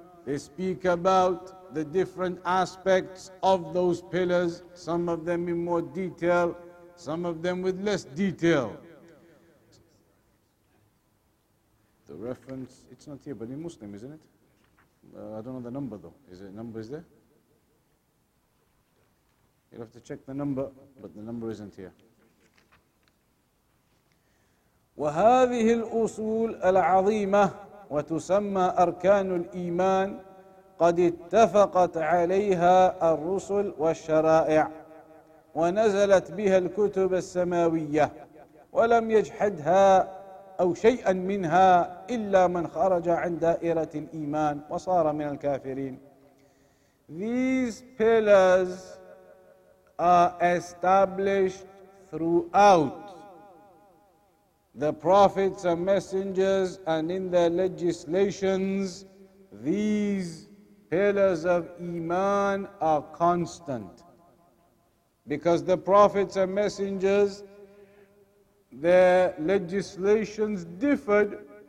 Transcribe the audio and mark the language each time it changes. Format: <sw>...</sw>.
<en>They speak about the different aspects of those pillars, some of them in more detail, some of them with less detail. The reference, it's not here, but in Muslim, isn't it? I don't know the number though. Is it number is there? You'll have to check the number, but the number isn't here.</en> <ar>وهذه الأصول العظيمة وتسمى أركان الإيمان قد اتفقت عليها الرسل والشرائع ونزلت بها الكتب السماوية ولم يجحدها أو شيئا منها إلا من خرج عن دائرة الإيمان وصار من الكافرين.</ar> <en>These pillars are established throughout the prophets and messengers and in their legislations. These pillars of Iman are constant, because the prophets and messengers, their legislations differed.</en>